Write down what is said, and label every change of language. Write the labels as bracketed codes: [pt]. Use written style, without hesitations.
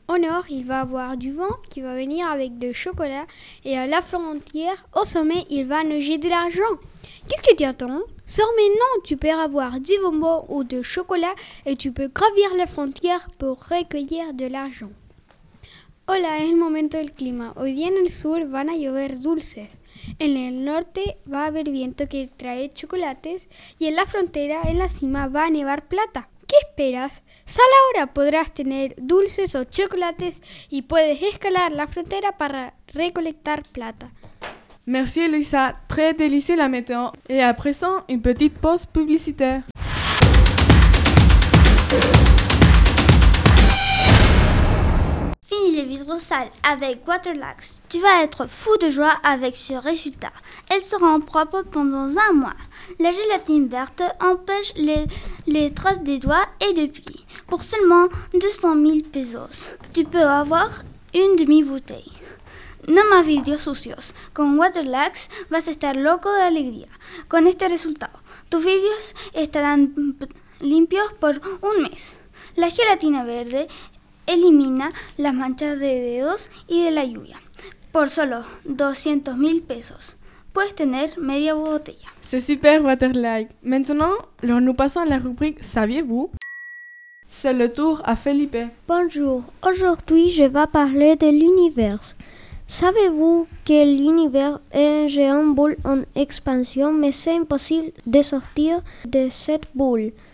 [fr] Au nord, il va avoir du vent qui va venir avec du chocolat. Et à la frontière, au sommet, il va neiger de l'argent. Qu'est-ce que tu attends? Sors maintenant, tu peux avoir du bonbon ou du chocolat et tu peux gravir la frontière pour recueillir de l'argent. [es] Hola, es el momento del clima. Hoy día en el sur van a llover dulces. En el norte va a haber viento que trae chocolates. Y en la frontera, en la cima, va a nevar plata. ¿Qué esperas? Sal ahora, podrás tener dulces o chocolates y puedes escalar la frontera para recolectar plata. [fr] Merci Elisa, très délicieux la météo. Et à présent, une petite pause publicitaire. Fini les vitres sales avec Waterlax. Tu vas être fou de joie avec ce résultat. Elles seront propres pendant un mois. La gélatine verte empêche les traces des doigts et des plis. Pour seulement 200 000 pesos, tu peux avoir une demi-bouteille. [es] No más vidrios sucios. Con Waterlax vas a estar loco de alegría. Con este resultado, tus vidrios estarán limpios por un mes. La gelatina verde elimina las manchas de dedos y de la lluvia. Por solo 200 mil pesos, puedes tener media botella. [fr] C'est super, Waterlax. Maintenant, nous passons à la rubrique Saviez-vous? C'est le tour à Felipe. Bonjour. Aujourd'hui, je vais parler de l'univers. Savez-vous que l'univers est une géante boule en expansion, mais c'est impossible de sortir de cette boule.